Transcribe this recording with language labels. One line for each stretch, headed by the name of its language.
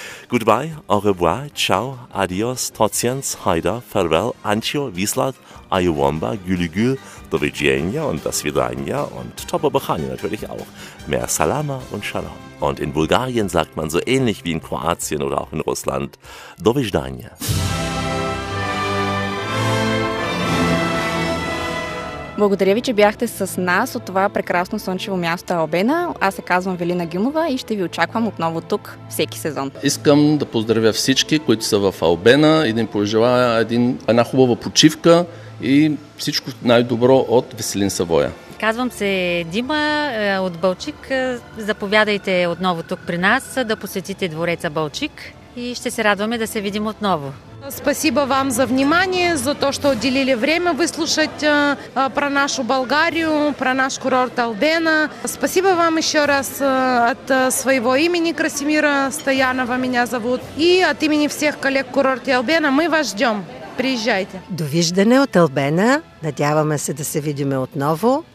German: Goodbye, au revoir, ciao, adios, totiens, haida, farewell, ancho, vislat, ayuwomba, gülügül, dovidjenja und dasvidanja und topobohanja natürlich auch. Mehr Salama und Shalom. Und in Bulgarien sagt man so ähnlich wie in Kroatien oder auch in Russland, dovidjenja.
Bulgarian: Благодаря ви, че бяхте с нас от това прекрасно слънчево място Албена. Аз се казвам Велина Гюмова и ще ви очаквам отново тук всеки сезон. Искам да поздравя всички, които са в Албена и да им пожелая една хубава почивка и всичко най-добро от Веселин Савоя. Казвам се Дима от Балчик. Заповядайте отново тук при нас да посетите двореца Балчик и ще се радваме да се видим отново.
Russian: Спасибо вам за внимание, за то, что уделили время выслушать про нашу Болгарию, про наш курорт Албена. Спасибо вам еще раз от своего имени Красимира Стоянова, меня зовут, и от имени всех коллег курорта Албена. Мы вас ждем. Приезжайте.
Bulgarian: Довиждане от Албена. Надяваемся, да се видиме отново.